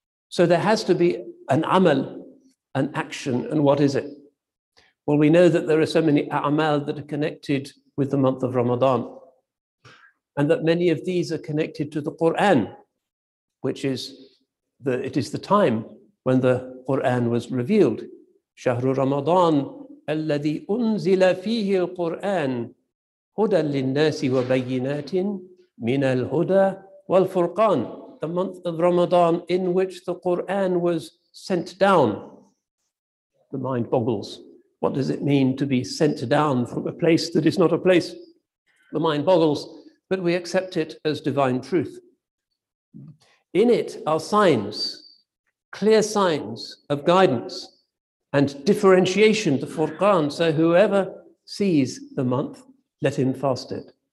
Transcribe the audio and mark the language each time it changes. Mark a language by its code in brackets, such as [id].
[en] So there has to be an amal, an action, and what is it? Well, we know that there are so many a'mal that are connected with the month of Ramadan, and that many of these are connected to the Quran, which is the time when the Quran was revealed. [ar] شهر رمضان الذي أنزل فيه القرآن هدى للناس وبينات من الهدى والفرقان. [en] The month of Ramadan in which the Quran was sent down. The mind boggles. What does it mean to be sent down from a place that is not a place? The mind boggles. but we accept it as divine truth. In it are signs, clear signs of guidance and differentiation, the Furqan, so whoever sees the month, let him fast it.